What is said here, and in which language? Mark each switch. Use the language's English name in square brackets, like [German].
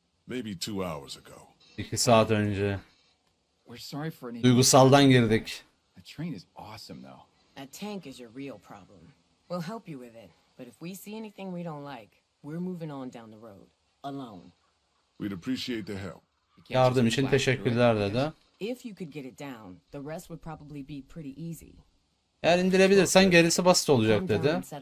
[English] Maybe two hours ago. [Turkish] 2 saat önce. [English] We're sorry for any... [Turkish] Duygusaldan girdik. [English] The train is awesome, though. That tank is your real problem. We'll help you with it. But if we see anything we don't like, we're moving on down the road. Alone. We'd appreciate the help. [Turkish] Yardım için teşekkürler dedi. [English] If you could get it down, the rest would probably be pretty easy. [Turkish] Eğer indirebilirsen gerisi basit olacak dedi.